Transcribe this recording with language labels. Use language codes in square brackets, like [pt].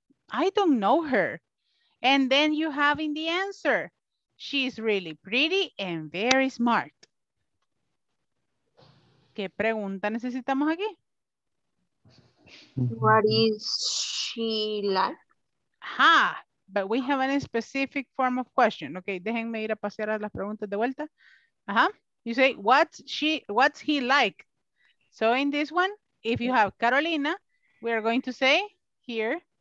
[en] I don't know her. And then you have in the answer, she's really pretty and very smart. [es] ¿Qué pregunta necesitamos aquí? [en] What is she like? Ha, but we have a specific form of question. [es] Okay, déjenme ir a pasear a las preguntas de vuelta. [en] Ajá. You say, what's he like? So in this one, if you have Carolina, we are going to say here,